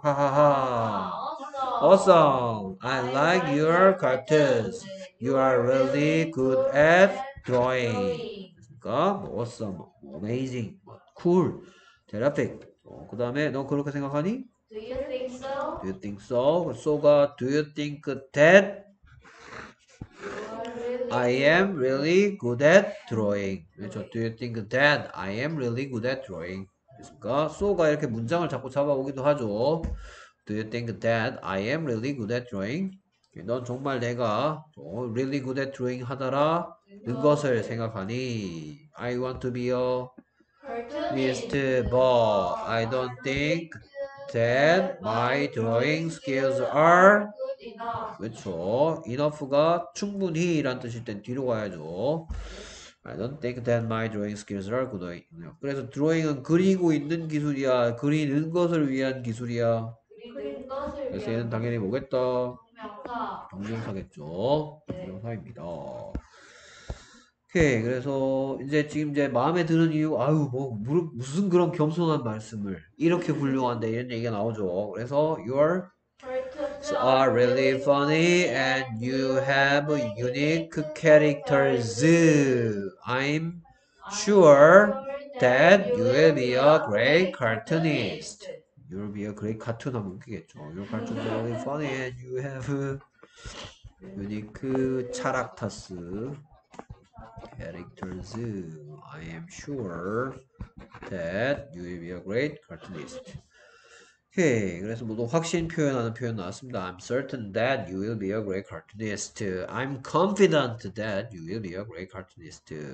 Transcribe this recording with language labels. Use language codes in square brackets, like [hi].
[en] 하하하. Awesome. I like your cartoons. You are really good at drawing. [ko] 그러니까 뭐, awesome, amazing, cool, terrific. 그 다음에 너 그렇게 생각하니? [en] Do you think so? Do you think so? So가 do you think that I am really good at drawing? [ko] 그렇죠. [en] Do you think that I am really good at drawing? [ko] 그러니까 So가 이렇게 문장을 자꾸 잡아오기도 하죠. [en] Do you think that I am really good at drawing? [ko] 넌 정말 내가 [en] really good at drawing [ko] 하더라? 그것을 생각하니? [en] I want to be a Mr. Ball. I don't think that my drawing skills are [ko] 그렇죠. Enough가 충분히 라는 뜻일 땐 뒤로 가야죠. [en] I don't think that my drawing skills are good enough. [ko] 그래서 드로잉은 그리고 있는 기술이야. 그리는 것을 위한 기술이야. 그래서 얘는 당연히 뭐겠다? 동명사겠죠. 동명사입니다. 오케이. 그래서 이제 지금 이제 마음에 드는 이유, 아유, 뭐, 무슨 그런 겸손한 말씀을. 이렇게 훌륭한데 이런 얘기가 나오죠. [en] 그래서 your are really funny and you have unique characters. I'm sure that you will be a great cartoonist. You'll be a great cartoon [ko] 하면 웃기겠죠. [en] Your cartoons are really funny and you have unique characters. I am sure that you will be a great cartoonist. [ko] Okay, 그래서 모두 확신 표현하는 표현 나왔습니다. [en] I'm certain that you will be a great cartoonist. I'm confident that you will be a great cartoonist.